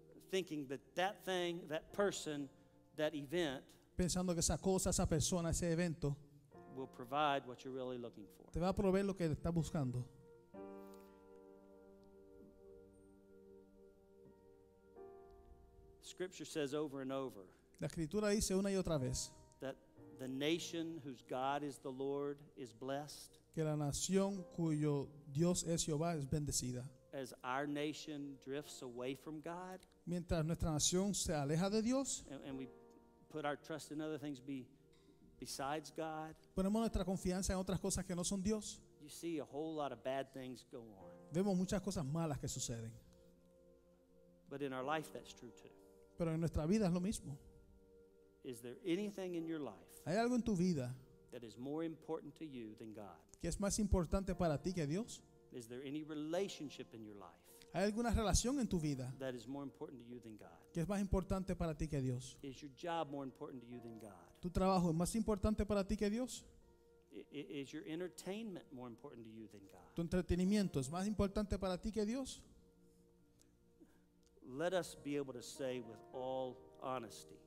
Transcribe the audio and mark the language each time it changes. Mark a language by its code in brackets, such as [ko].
[en] Thinking that that thing, that person, that event, [es] pensando que esa cosa, esa persona, ese evento, [en] will provide what you're really looking for. [es] Te va a proveer lo que estás buscando. [en] Scripture says over and over. [es] La escritura dice una y otra vez. [en] That the nation whose God is the Lord is blessed. [es] Que la nación cuyo Dios es Jehová es bendecida. [en] As our nation drifts away from God. [es] Mientras nuestra nación se aleja de Dios. [en] And we put our trust in other things besides God. [es] Ponemos nuestra confianza en otras cosas que no son Dios. [en] You see a whole lot of bad things go on. [es] Vemos muchas cosas malas que suceden. [en] But in our life that's true too. [es] Pero en nuestra vida es lo mismo. [en] Is there anything in your life? [es] ¿Hay algo en tu vida [en] that is more important to you than God? [es] ¿Qué es más importante para ti que Dios? [en] Is there any relationship in your life? [es] ¿Hay alguna relación en tu vida [en] that is more important to you than God? [es] ¿Qué es más importante para ti que Dios? [en] Is your job more important to you than God? [es] ¿Tu trabajo es más importante para ti que Dios? [en] Is your entertainment more important to you than God? [es] ¿Tu entretenimiento es más importante para ti que Dios? [en] Let us be able to say with all honesty.